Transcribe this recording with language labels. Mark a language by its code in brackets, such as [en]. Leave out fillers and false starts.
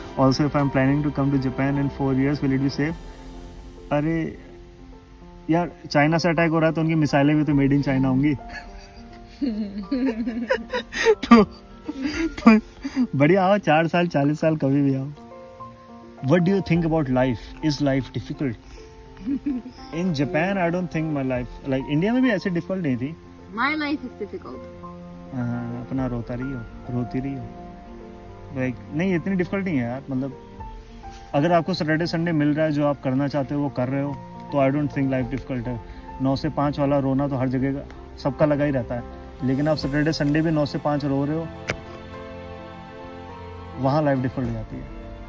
[en] Also if I am planning to come to Japan in 4 years, will it be safe? [hi] अरे यार China से attack हो रहा है तो उनकी मिसाइलें भी तो मेड इन चाइना होंगी. तो बढ़िया आओ, 4 साल 40 साल कभी भी आओ. [en] What do you think about life? Is life difficult? In Japan, I don't think my life like India [hi] में भी ऐसे [en] difficult [hi] नहीं थी. [en] My life is difficult. [hi] अपना रोता रही हो, रोती रही हो. Like नहीं इतनी difficult नहीं है यार. मतलब अगर आपको Saturday Sunday मिल रहा है जो आप करना चाहते हो वो कर रहे हो तो [en] I don't think life difficult [hi] है. 9 से 5 वाला रोना तो हर जगह का सबका लगा ही रहता है. लेकिन आप Saturday Sunday भी 9 से 5 रो रहे हो वहाँ life difficult हो जाती है.